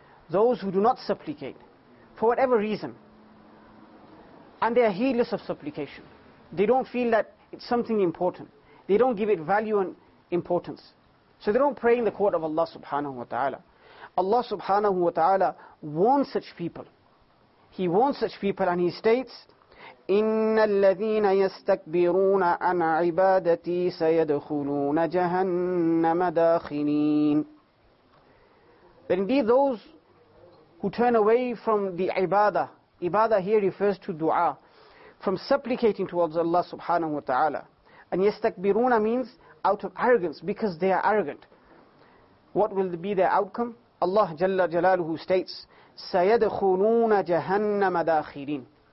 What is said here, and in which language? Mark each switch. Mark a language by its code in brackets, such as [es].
[en] Those who do not supplicate for whatever reason. And they are heedless of supplication. They don't feel that it's something important. They don't give it value and importance. So they don't pray in the court of Allah subhanahu wa ta'ala. Allah subhanahu wa ta'ala warns such people. He warns such people and he states, [ar] إِنَّ الَّذِينَ يَسْتَكْبِرُونَ عَنْ عِبَادَتِي سَيَدْخُلُونَ جَهَنَّمَ دَاخِلِينَ. [en] That indeed those who turn away from the ibadah, ibadah here refers to dua, from supplicating towards Allah subhanahu wa ta'ala. And yastakbiruna means out of arrogance, because they are arrogant. What will be their outcome? Allah Jalla Jalaluhu states, [ar] سَيَدْخُلُونَ جَهَنَّمَ دَاخِلِينَ.